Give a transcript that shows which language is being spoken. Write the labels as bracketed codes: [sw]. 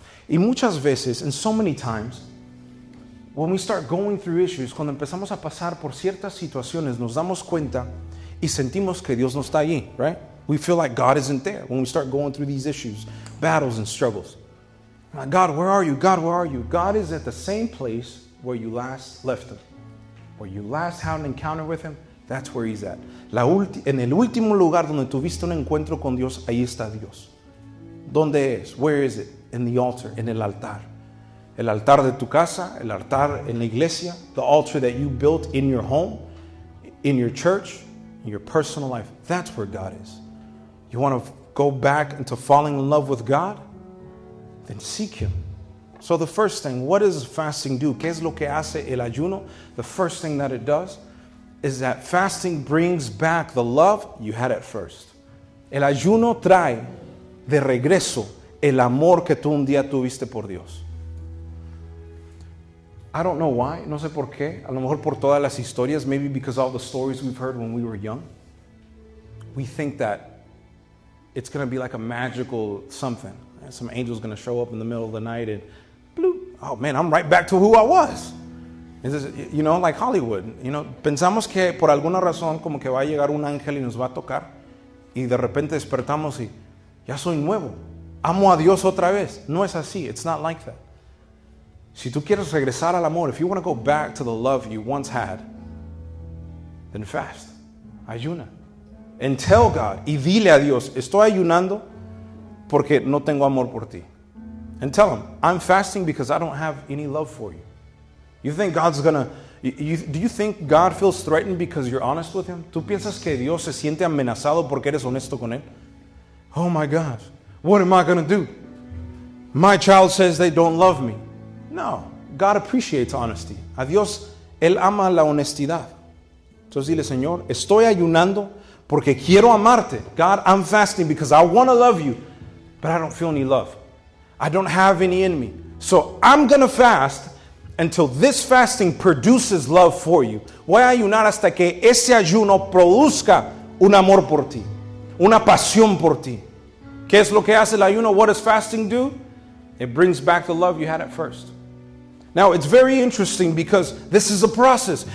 [es] Y muchas veces, [en] and so many times, when we start going through issues, [es] cuando empezamos a pasar por ciertas situaciones, nos damos cuenta y sentimos que Dios no está allí, right? [en] We feel like God isn't there when we start going through these issues, battles and struggles. God, where are you? God, where are you? God is at the same place where you last left him. Where you last had an encounter with him, that's where he's at. [es] En el último lugar donde tuviste un encuentro con Dios, ahí está Dios. ¿Dónde es? [en] Where is it? In the altar, [es] en el altar. El altar de tu casa, el altar en la iglesia, [en] the altar that you built in your home, in your church, in your personal life, that's where God is. You want to go back into falling in love with God? Then seek him. So the first thing, what does fasting do? [es] ¿Qué es lo que hace el ayuno? [en] The first thing that it does is that fasting brings back the love you had at first. [es] El ayuno trae de regreso el amor que tú un día tuviste por Dios. [en] I don't know why, [es] no sé por qué. A lo mejor por todas las historias, [en] maybe because all the stories we've heard when we were young. We think that it's going to be like a magical something. Some angel's going to show up in the middle of the night and bloop. Oh, man, I'm right back to who I was. This is, you know, like Hollywood. You know, [es] pensamos que por alguna razón como que va a llegar un ángel y nos va a tocar. Y de repente despertamos y ya soy nuevo. Amo a Dios otra vez. No es así. [en] It's not like that. [es] Si tú quieres regresar al amor, [en] if you want to go back to the love you once had, then fast. [es] Ayuna. [en] And tell God. [es] Y dile a Dios, estoy ayunando porque no tengo amor por ti. [en] And tell him, I'm fasting because I don't have any love for you. You think God's gonna... do you think God feels threatened because you're honest with him? [es] ¿Tú piensas que Dios se siente amenazado porque eres honesto con él? [en] Oh my God, what am I gonna do? My child says they don't love me. No, God appreciates honesty. [es] A Dios, él ama la honestidad. Entonces dile, Señor, estoy ayunando porque quiero amarte. [en] God, I'm fasting because I want to love you. But I don't feel any love. I don't have any in me. So I'm going to fast until this fasting produces love for you. [es] Voy a ayunar hasta que ese ayuno produzca un amor por ti. Una pasión por ti. ¿Qué es lo que hace el ayuno? [en] What does fasting do? It brings back the love you had at first. Now it's very interesting because this is a process.